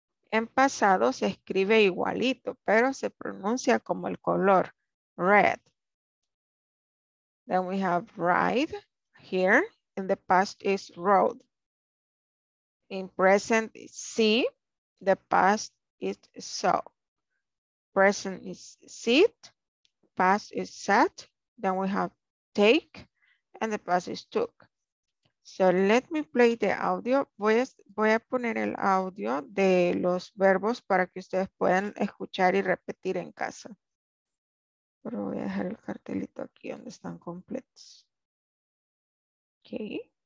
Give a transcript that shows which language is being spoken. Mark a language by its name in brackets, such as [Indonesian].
[Spanish] En pasado se escribe igualito, pero se pronuncia como el color, red. [English] Then we have ride here, in the past is rode. In present is see, the past is saw. Present is sit, past is sat. Then we have take, and the past is took. So let me play the audio. [Spanish] Voy a poner el audio de los verbos para que ustedes puedan escuchar y repetir en casa. Pero voy a dejar el cartelito aquí donde están completos. [English] Okay.